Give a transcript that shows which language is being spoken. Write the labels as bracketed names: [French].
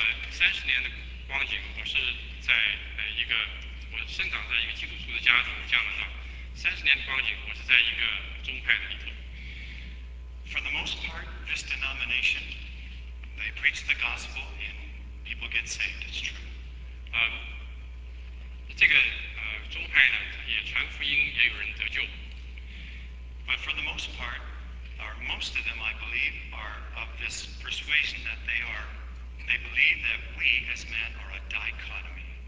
[Chinese] 30年的光景，我是在一个我生长在一个基督徒的家中长大。 30年的光景，我是在一个宗派的里头。 [English] For the most part, this denomination, they preach the gospel and people get saved. It's true. [Chinese] 这个宗派呢，也传福音，也有人得救。 [English] But for the most part, or most of them, I believe, are of this persuasion that they believe that we as men are a dichotomy.